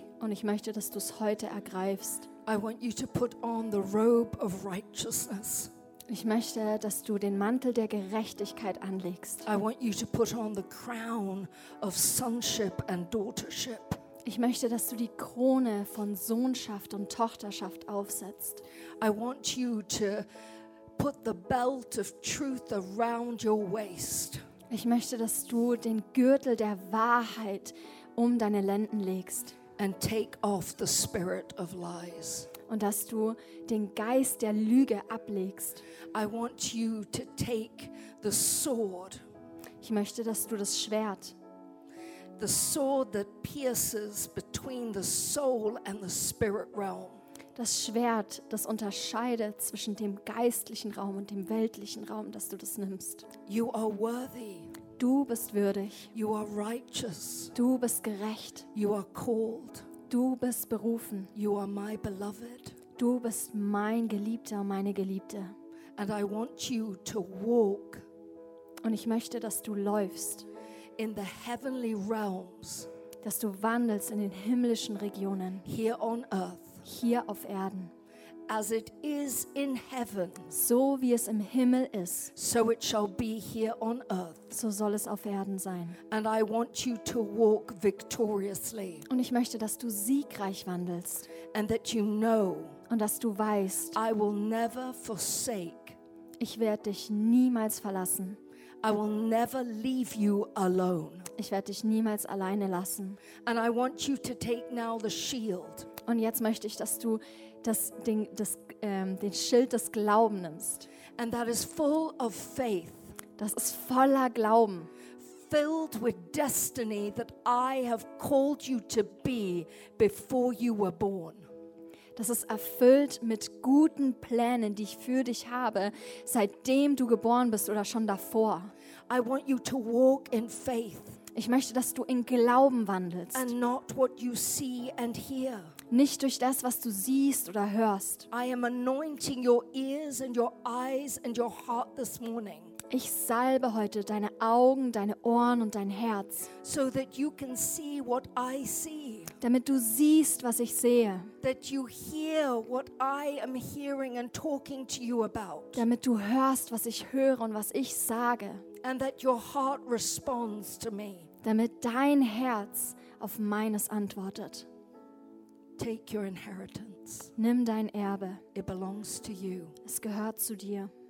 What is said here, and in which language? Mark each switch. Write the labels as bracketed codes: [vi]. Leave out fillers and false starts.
[de] Und ich möchte, dass du es heute ergreifst. [en] I want you to put on the robe of righteousness. [de] Ich möchte, dass du den Mantel der Gerechtigkeit anlegst. [en] I want you to put on the crown of sonship and daughtership. [de] Ich möchte, dass du die Krone von Sohnschaft und Tochterschaft aufsetzt. [en] I want you to put the belt of truth around your waist. [de] Ich möchte, dass du den Gürtel der Wahrheit um deine Lenden legst. [en] And take off the spirit of lies. [de] Und dass du den Geist der Lüge ablegst. [en] I want you to take the sword. [de] Ich möchte, dass du das Schwert, [en] the sword that pierces between the soul and the spirit realm, [de] das Schwert, das unterscheidet zwischen dem geistlichen Raum und dem weltlichen Raum, dass du das nimmst. [en] You are worthy. [de] Du bist würdig. [en] You are righteous. [de] Du bist gerecht. [en] You are called. [de] Du bist berufen. [en] You are my beloved. [de] Du bist mein Geliebter, meine Geliebte. [en] And I want you to walk. [de] Und ich möchte, dass du läufst. [en] In the heavenly realms, [de] dass du wandelst in den himmlischen Regionen, [en] here on earth, [de] hier auf Erden. [en] As it is in heaven, [de] so wie es im Himmel ist, [en] so it shall be here on earth. [de] So soll es auf Erden sein. [en] And I want you to walk victoriously. [de] Und ich möchte, dass du siegreich wandelst. [en] And that you know, [de] und dass du weißt, [en] I will never forsake. [de] Ich werde dich niemals verlassen. [en] I will never leave you alone. [de] Ich werde dich niemals alleine lassen. [en] And I want you to take now the shield. [de] Und jetzt möchte ich, dass du den Schild des Glaubens nimmst. [en] And that is full of faith. [de] Das ist voller Glauben. [en] Filled with destiny that I have called you to be before you were born. [de] Das ist erfüllt mit guten Plänen, die ich für dich habe, seitdem du geboren bist oder schon davor. [en] I want you to walk in faith. [de] Ich möchte, dass du in Glauben wandelst. [en] And not what you see and hear. [de] Nicht durch das, was du siehst oder hörst. [en] I am anointing your ears and your eyes and your heart this morning. [de] Ich salbe heute deine Augen, deine Ohren und dein Herz. [en] So that you can see what I see. [de] Damit du siehst, was ich sehe. [en] That you hear what I am hearing and talking to you about. [de] Damit du hörst, was ich höre und was ich sage. [en] And that your heart responds to me. [de] Damit dein Herz auf meines antwortet. [en] Take your inheritance. [de] Nimm dein Erbe. [en] It belongs to you. [de] Es gehört zu dir.